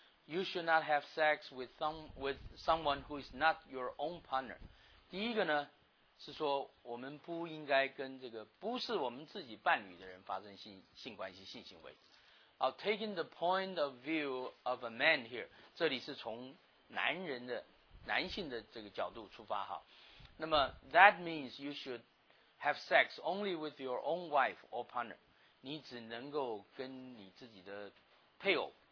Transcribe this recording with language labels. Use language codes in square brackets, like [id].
[en] You should not have sex with someone who is not your own partner. [zh] 第一个呢，是说我们不应该跟这个不是我们自己伴侣的人发生性关系、性行为。好 ， [en] taking the point of view of a man here， [zh] 这里是从男性的这个角度出发哈。 [en] 那么 that means you should have sex only with your own wife or partner. [zh] 你只能够跟你自己的配偶。